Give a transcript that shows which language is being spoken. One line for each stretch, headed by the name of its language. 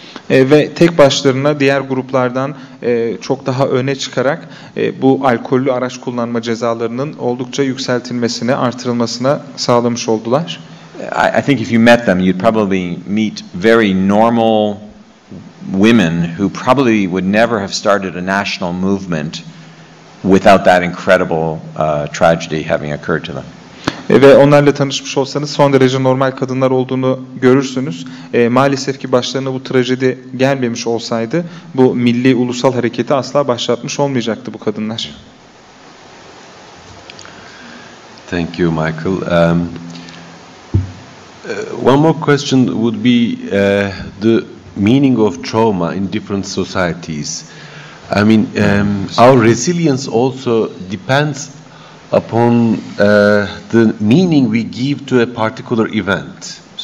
Turkish: Ve tek başlarına diğer gruplardan çok daha öne çıkarak bu alkollü araç kullanma cezalarının oldukça yükseltilmesine, artırılmasına sağlamış oldular.
English: I think if you met them, you'd probably meet very normal women who probably would never have started a national movement without that incredible tragedy having occurred to them.
Turkish: Ve onlarla tanışmış olsanız son derece normal kadınlar olduğunu görürsünüz. Maalesef ki başlarına bu trajedi gelmemiş olsaydı bu milli ulusal hareketi asla başlatmış olmayacaktı bu kadınlar.
English: Thank you, Michael. One more question would be the meaning of trauma in different societies. I mean, our resilience also depends upon the meaning we give to a particular event.